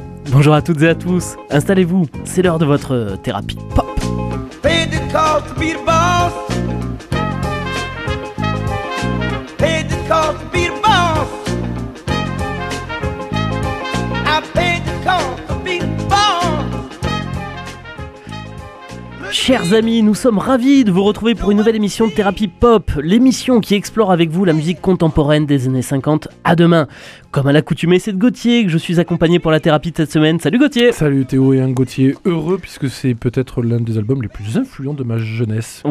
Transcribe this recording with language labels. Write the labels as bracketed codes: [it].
[fr] Bonjour à toutes et à tous, installez-vous, c'est l'heure de votre thérapie pop. [en] Pay the cost to be the boss. Pay the cost to be the boss. I pay the cost to be the boss. [fr] Chers amis, nous sommes ravis de vous retrouver pour une nouvelle émission de Thérapie Pop, l'émission qui explore avec vous la musique contemporaine des années 50 à demain. Comme à l'accoutumée, c'est de Gauthier que je suis accompagné pour la thérapie de cette semaine. Salut Gauthier. Salut Théo et un Gauthier heureux puisque c'est peut-être l'un des albums les plus influents de ma jeunesse.